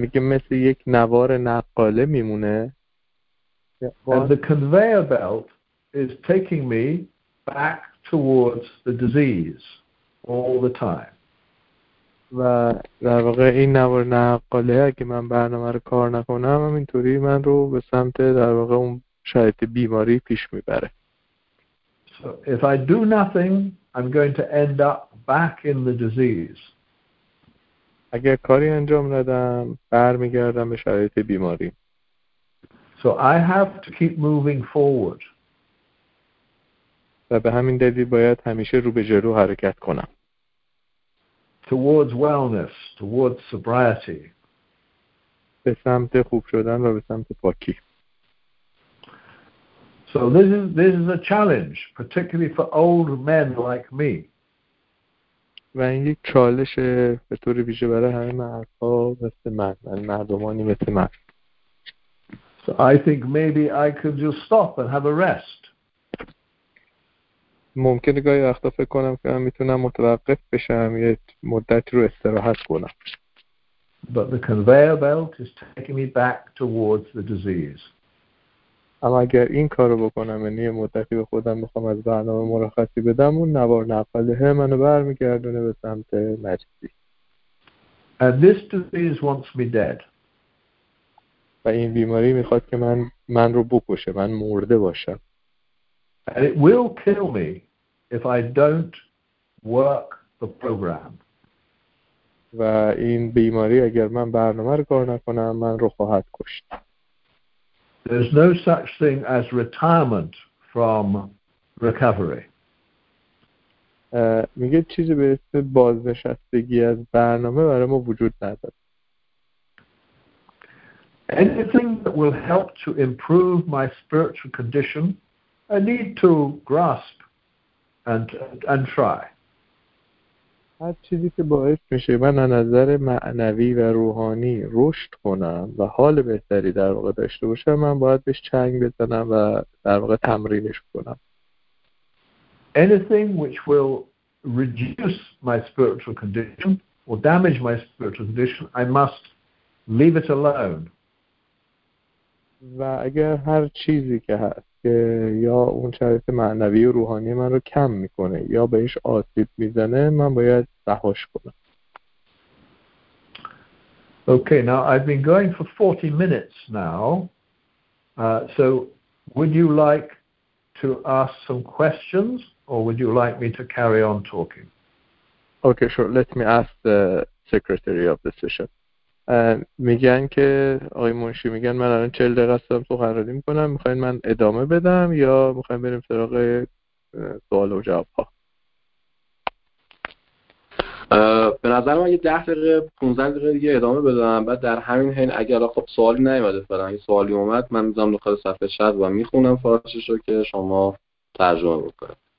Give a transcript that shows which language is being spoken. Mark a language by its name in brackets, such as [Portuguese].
[Persian] میگه مثل یک نوار نقاله میمونه. [English] And the conveyor belt is taking me back towards the disease all the time. [Persian] و در واقع این نوار نقاله اگه من برنامه رو کار نکنم همینطوری من رو به سمت در واقع اون شرایط بیماری پیش میبره. [English] So if I do nothing, I'm going to end up back in the disease. [Persian] اگه کاری انجام ندم برمیگردم به شرایط بیماری. [English] So I have to keep moving forward. [Persian] و به همین دلیل باید همیشه رو به جلو حرکت کنم. [English] towards wellness, towards sobriety. [Persian] به سمت خوب شدن و به سمت پاکی. [English] So this is a challenge, particularly for old men like me. [Persian] و این یک چالش به طور ویژه برای همه مردها مثل من، مردمانی مثل من. [English] So I think maybe I could just stop and have a rest. [Persian] ممکنه گاهی وقتا فکر کنم که من میتونم متوقف بشم یه مدتی رو استراحت کنم. [English] But the conveyor belt is taking me back towards the disease. [Persian] اما اگر این کارو بکنم یعنی یه مدتی به خودم بخوام از برنامه مرخصی بدم اون نوار نفله منو برمیگردونه به سمت مریضی. [English] And this disease wants me dead. [Persian] و این بیماری میخواد که من رو بکشه، من مرده باشم. [English] And it will kill me if I don't work the program. [Persian] و این بیماری اگر من برنامه رو کار نکنم من رو خواهد کشت. [English] There's no such thing as retirement from recovery. [Persian] میگه چیزی به اسم بازنشستگی از برنامه برای ما وجود نداره. [English] Anything that will help to improve my spiritual condition, I need to grasp and try. [Persian] هر چیزی که باعث میشه من از نظر معنوی و روحانی رشد کنم و حال بهتری در واقع داشته باشم من باید بهش چنگ بزنم و در واقع تمرینش کنم. [English] Anything which will reduce my spiritual condition or damage my spiritual condition, I must leave it alone. [Persian] و اگر هر چیزی که هست که یا اون شرایط معنوی و روحانی من رو کم میکنه یا بهش آسیب میزنه من باید رهاش کنم. [English] Okay, now I've been going for 40 minutes now. So would you like to ask some questions or would you like me to carry on talking? Okay, sure. Let me ask the secretary of the session. [Persian] میگن که آقای منشی میگن من الان 40 دقیقه هستم سخنرانی میکنم میخواین من ادامه بدم یا میخواین بریم سراغ سوال و جواب ها؟ به نظر من یه 10 دقیقه 15 دقیقه دیگه ادامه بدم بعد در همین حین اگر خب سوالی نیومده فرام یه سوالی اومد من میذارم داخل صفحه شد و میخونم فارسیش رو که شما ترجمه بکنید.